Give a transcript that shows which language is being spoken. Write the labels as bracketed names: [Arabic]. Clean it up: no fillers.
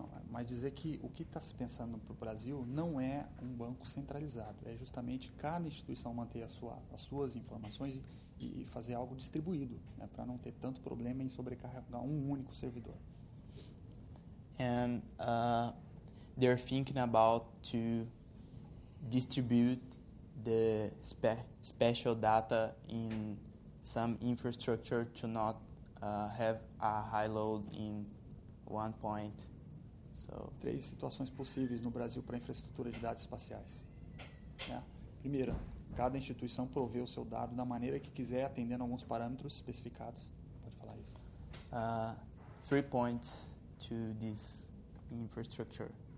[Portuguese] Mas dizer que o que está se pensando para o Brasil não é um banco centralizado, é justamente cada instituição manter as suas informações e fazer algo distribuído, né, para não ter tanto problema em sobrecarregar um único servidor. [English] And they're thinking about to distribute the special data in some infrastructure to not have a high load in one point. So. [Portuguese] Três situações possíveis no Brasil para infraestrutura de dados espaciais. Né? Primeira, cada instituição provê o seu dado da maneira que quiser, atendendo alguns parâmetros especificados. Pode falar isso. [English] Three points to this infrastructure.